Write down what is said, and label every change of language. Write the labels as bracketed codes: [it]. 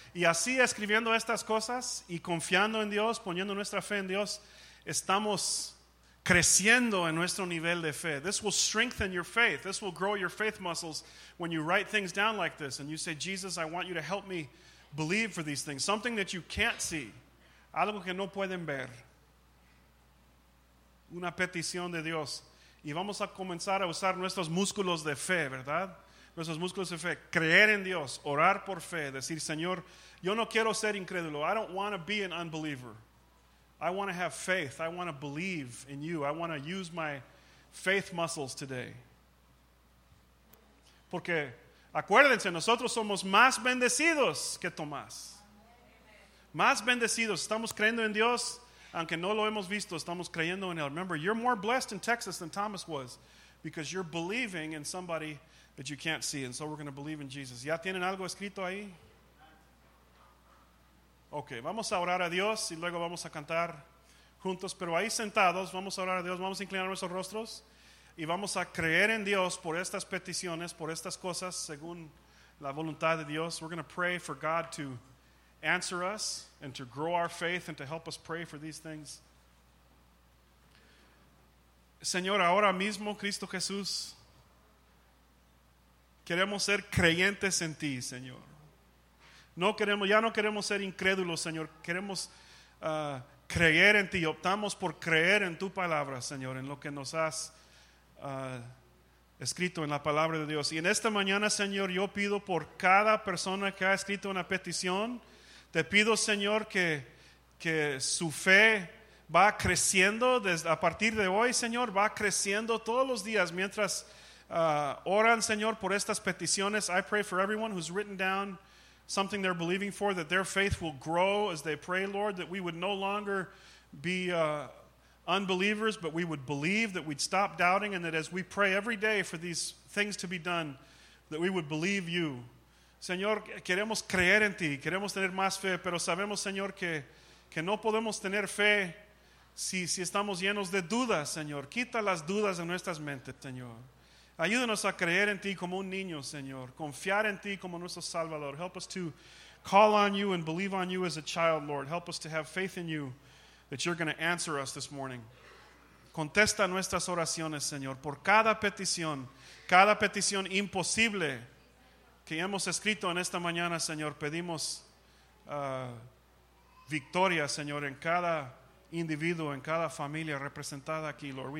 [es] Y así, escribiendo estas cosas y confiando en Dios, poniendo nuestra fe en Dios, estamos creciendo en nuestro nivel de fe. [en] This will strengthen your faith. This will grow your faith muscles when you write things down like this and you say, Jesus, I want you to help me believe for these things. Something that you can't see. [es] Algo que no pueden ver. Una petición de Dios. Y vamos a comenzar a usar nuestros músculos de fe, ¿verdad? Nuestros músculos de fe. Creer en Dios. Orar por fe. Decir, Señor, yo no quiero ser incrédulo. [en] I don't want to be an unbeliever. I want to have faith. I want to believe in you. I want to use my faith muscles today. [es] Porque, acuérdense, nosotros somos más bendecidos que Tomás. Más bendecidos. Estamos creyendo en Dios. Aunque no lo hemos visto, estamos creyendo en él. [en] Remember, you're more blessed in Texas than Thomas was because you're believing in somebody that you can't see. And so we're going to believe in Jesus. [es] ¿Ya tienen algo escrito ahí? Okay, vamos a orar a Dios y luego vamos a cantar juntos. Pero ahí sentados, vamos a orar a Dios, vamos a inclinar nuestros rostros y vamos a creer en Dios por estas peticiones, por estas cosas, según la voluntad de Dios. [en] We're going to pray for God to answer us and to grow our faith and to help us pray for these things. [es] Señor, ahora mismo, Cristo Jesús, queremos ser creyentes en ti, Señor. Ya no queremos ser incrédulos, Señor. Queremos creer en ti. Optamos por creer en tu palabra, Señor, en lo que nos has escrito en la palabra de Dios. Y en esta mañana, Señor, yo pido por cada persona que ha escrito una petición. Te pido, Señor, que su fe va creciendo desde, a partir de hoy, Señor, va creciendo todos los días mientras oran, Señor, por estas peticiones. [en] I pray for everyone who's written down something they're believing for, that their faith will grow as they pray, Lord, that we would no longer be unbelievers, but we would believe, that we'd stop doubting, and that as we pray every day for these things to be done, that we would believe you. [es] Señor, queremos creer en ti, queremos tener más fe, pero sabemos, Señor, que no podemos tener fe si estamos llenos de dudas, Señor. Quita las dudas de nuestras mentes, Señor. Ayúdanos a creer en ti como un niño, Señor. Confiar en ti como nuestro Salvador. [en] Help us to call on you and believe on you as a child, Lord. Help us to have faith in you that you're going to answer us this morning. [es] Contesta nuestras oraciones, Señor, por cada petición imposible que hemos escrito en esta mañana, Señor. Pedimos victoria, Señor, en cada individuo, en cada familia representada aquí, Lord.